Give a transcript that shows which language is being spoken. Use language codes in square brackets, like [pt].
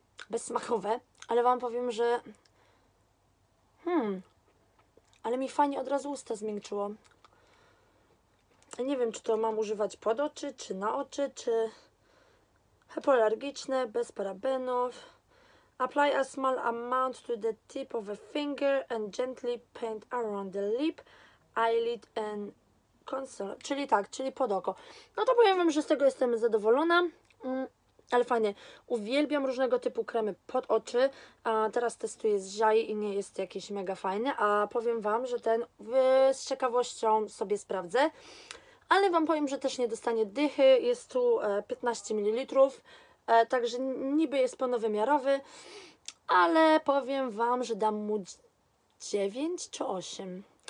[pl] Bezsmakowe, ale Wam powiem, że... Ale mi fajnie od razu usta zmiękczyło. Nie wiem, czy to mam używać pod oczy, czy na oczy, czy... Hypoalergiczne, bez parabenów. [en] Apply a small amount to the tip of a finger and gently paint around the lip, eyelid and console. [pl] Czyli tak, czyli pod oko. No to powiem Wam, że z tego jestem zadowolona. Ale fajnie, uwielbiam różnego typu kremy pod oczy, a teraz testuję z Zhai i nie jest jakiś mega fajny, a powiem Wam, że ten z ciekawością sobie sprawdzę, ale Wam powiem, że też nie dostanie dychy, jest tu 15 ml, także niby jest ponowymiarowy, ale powiem Wam, że dam mu 9 czy 8.